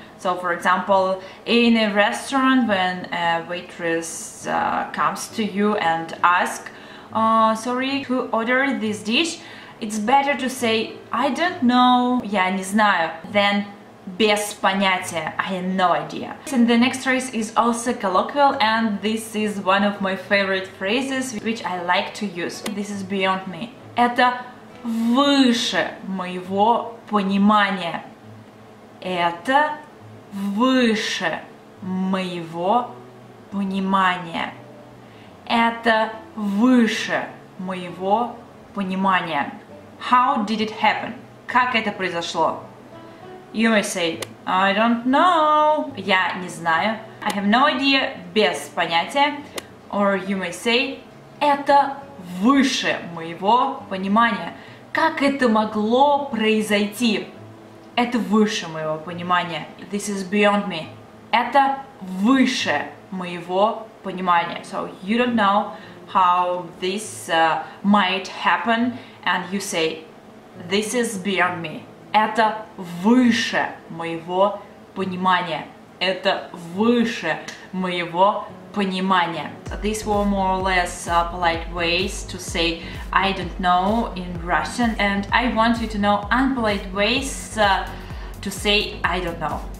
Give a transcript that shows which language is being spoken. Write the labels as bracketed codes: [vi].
[en] So, for example, in a restaurant, when a waitress comes to you and asks, sorry, who ordered this dish? It's better to say, I don't know, [ru] я не знаю, [en] than [ru] без понятия, [en] I have no idea. And the next phrase is also colloquial, and this is one of my favorite phrases, which I like to use. This is beyond me. [ru] Это выше моего понимания. Это выше моего понимания. Это выше моего понимания. [en] How did it happen? [ru] Как это произошло? [en] You may say, I don't know. [ru] Я не знаю. [en] I have no idea. [ru] Без понятия. [en] Or you may say, [ru] это выше моего понимания. Как это могло произойти? Это выше моего понимания. [en] This is beyond me. [ru] Это выше моего понимания. [en] So you don't know how this might happen, and you say, this is beyond me. [ru] Это выше моего понимания. Это выше моего понимания. [en] So these were more or less polite ways to say I don't know in Russian, and I want you to know unpolite ways to say I don't know.